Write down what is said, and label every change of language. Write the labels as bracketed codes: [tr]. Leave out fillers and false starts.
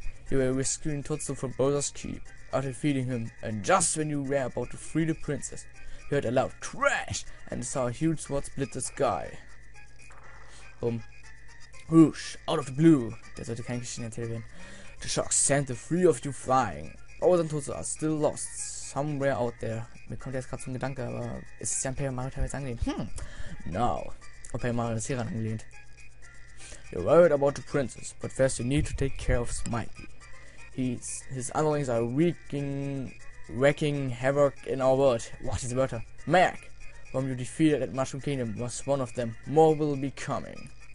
[en] You were rescuing Totsu from Bowser's keep, after feeding him, and just when you were about to free the princess, you heard a loud crash and saw a huge sword split the sky. Boom. Whoosh, out of the blue, that's what the Kankishin and Terrivan. The shock sent the three of you flying. Bowser and Totsu are still lost somewhere out there. [de] Mir kommt jetzt gerade zum Gedanke, aber ist es ja ein Paper Mario teilweise angelehnt? [en] No. [de] Ob Paper Mario ist hier angelehnt. [en] You're worried about the princess, but first you need to take care of Smitey. His underlings are wreaking havoc in our world. What is the matter? Mac, whom you defeated at Mushroom Kingdom, was one of them. More will be coming.